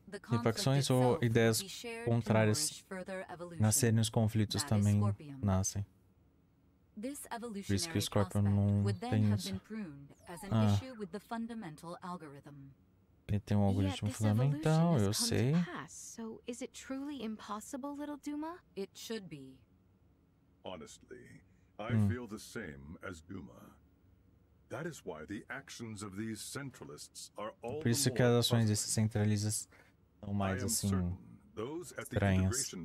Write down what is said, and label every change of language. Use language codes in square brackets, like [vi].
[pt] se facções ou ideias contrárias nascerem, os conflitos também nascem. [en] This evolutionary prospect would then have been pruned as an issue with the fundamental algorithm. [pt] Ele tem um algoritmo fundamental, eu sei. [en] So is it truly impossible, little Duma? It should be. Honestly, I feel the same as Duma. That is why the actions of these centralists are all [pt] por isso que as ações desses centralistas são mais assim estranhas.